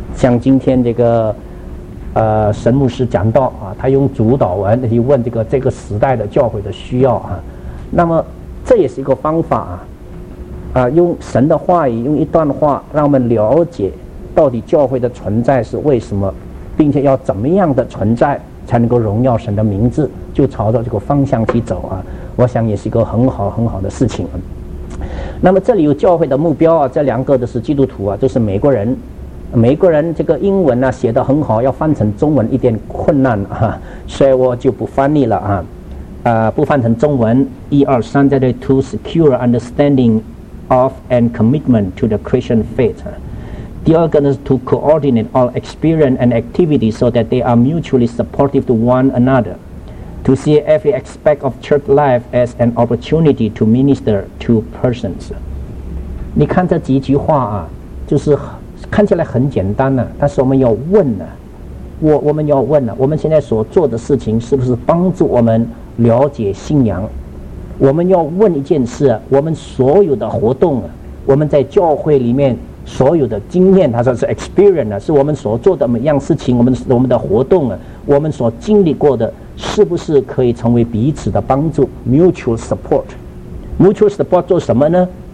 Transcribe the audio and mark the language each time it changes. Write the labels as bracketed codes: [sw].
[zh] 像今天这个神牧师讲到啊，他用主导文去问这个时代的教会的需要啊，那么这也是一个方法啊，用神的话语，用一段话让我们了解到底教会的存在是为什么，并且要怎么样的存在才能够荣耀神的名字，就朝着这个方向去走啊，我想也是一个很好很好的事情。那么这里有教会的目标啊，这两个都是基督徒啊，就是美国人。美国人这个英文呢、啊、写得很好，要翻成中文一点困难啊，所以我就不翻译了啊。不翻成中文，一二三，在这 [en] to secure understanding of and commitment to the Christian faith。 [zh] 第二个呢是 [en] to coordinate all experience and activity so that they are mutually supportive to one another。 To see every aspect of church life as an opportunity to minister to persons. [zh] 你看这几句话啊，就是看起来很简单啊，但是我们要问啊，我们要问啊，我们现在所做的事情是不是帮助我们了解信仰？我们要问一件事，我们所有的活动啊，我们在教会里面所有的经验，他说是 experience 啊，是我们所做的每样事情，我们的活动啊，我们所经历过的，是不是可以成为彼此的帮助 ？ [en] Mutual support， mutual support [zh] 做什么呢？